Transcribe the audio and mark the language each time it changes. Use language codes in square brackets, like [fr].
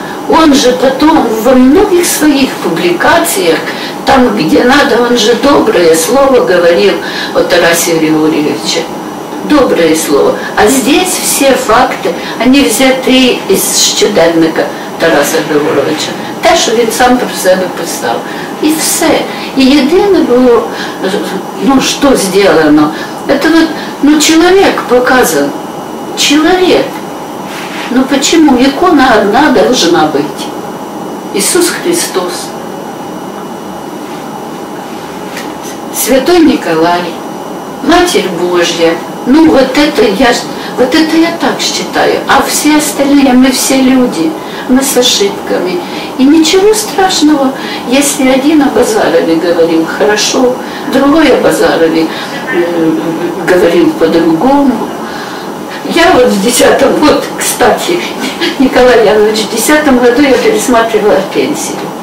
[ru] Он же потом во многих своих публикациях, там, где надо, он же доброе слово говорил о Тарасе Григорьевиче. Доброе слово. А здесь все факты, они взяты из щоденника Тараса Григорьевича. [uk] Те, що він сам про себе писав. І все. І єдине було, ну, що зроблено, це от, ну, чоловік показан. Чоловік. Ну, чому? Ікона одна повинна бути. Ісус Христос. Святой Николай. Матір Божья. Ну, от це я так вважаю. А всі остальні, ми всі люди. [ru] Мы с ошибками. И ничего страшного, если один о Базарове говорил хорошо, другой о Базарове говорил по-другому. Я вот в 10-м, вот, кстати, Николай Янович, в 10-м году я пересматривала пенсию.